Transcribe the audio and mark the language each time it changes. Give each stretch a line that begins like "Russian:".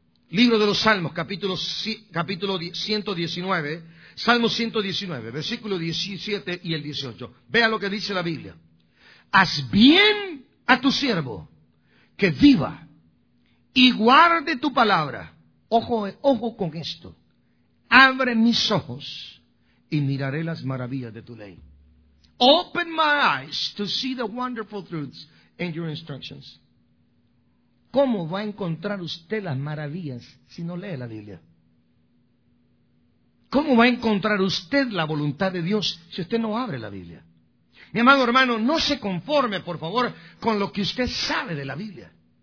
Spanish: Libro de los Salmos, capítulo 119, Salmo 119, versículo 17 y el 18. Vea lo que dice la Biblia. Haz bien a tu siervo que viva y guarde tu palabra. Ojo con esto. Abre mis ojos y miraré las maravillas de tu ley.
English: Open my eyes to see the wonderful truths and your instructions.
Spanish: ¿Cómo va a encontrar usted las maravillas si no lee la Biblia? ¿Cómo va a encontrar usted la voluntad de Dios si usted no abre la Biblia? Mi amado hermano, no se conforme, por favor, con lo que usted sabe de la Biblia.